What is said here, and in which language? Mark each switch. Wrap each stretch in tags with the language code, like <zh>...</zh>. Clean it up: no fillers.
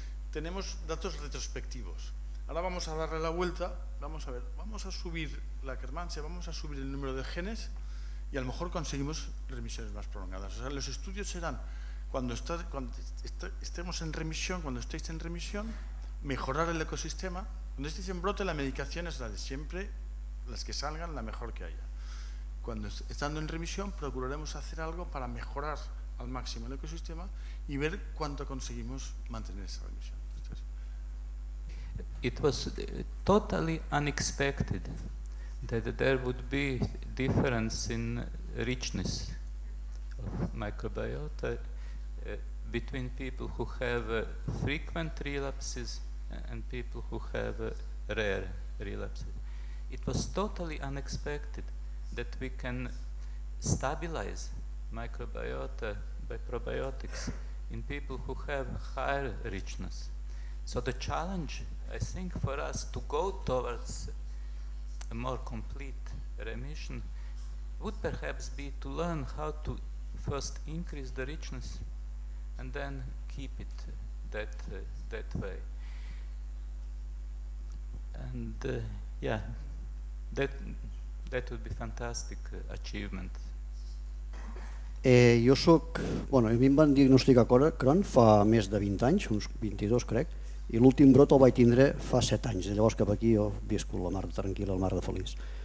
<es>Tenemos datos retrospectivos. Ahora vamos a darle la vuelta, vamos a ver, vamos a subir la Kermansia, vamos a subir el número de genes y a lo mejor conseguimos remisiones más prolongadas. O sea, los estudios serán cuando estemos en remisión, cuando estéis en remisión, mejorar el ecosistema. Cuando estéis en brote, la medicación es la de siempre, las que salgan, la mejor que haya. Cuando estando en remisión, procuraremos hacer algo para mejorar al máximo el ecosistema y ver cuánto conseguimos mantener esa remisión.</es> <en>It was totally unexpected that there would be difference in richness of microbiota between people who have frequent relapses and people who have rare relapses. It was totally unexpected that we can stabilize microbiota by probiotics in people who have higher richness. So the challenge, I think, for us to go towards a more complete remission would perhaps be to learn how to first increase the richness and then keep it that way. And yeah, that would be fantastic achievement.</en> <ca>Jo soc, bueno, a mi em van diagnosticar Crohn fa més de 20 anys, uns 22 crec, i l'últim brot el vaig tindre fa 7 anys, de llavors cap aquí jo visco la mar de tranquil·la, la mar de feliç.</ca>